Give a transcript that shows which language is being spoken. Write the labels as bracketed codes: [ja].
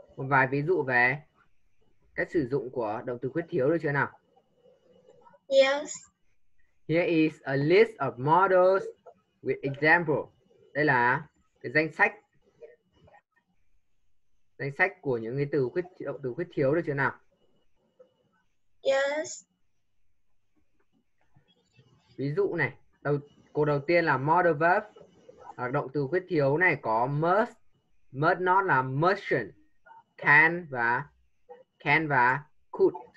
[vi] Một vài ví dụ về cách sử dụng của động từ khuyết thiếu được chưa nào? [en] Yes. Here is a list of modals with example. [vi] Đây là cái danh sách của những cái động từ khuyết thiếu được chưa nào? [en] Yes. [vi] Ví dụ này, đầu tiên là modal verb, là động từ khuyết thiếu này có must, must not là mustn't, can và could.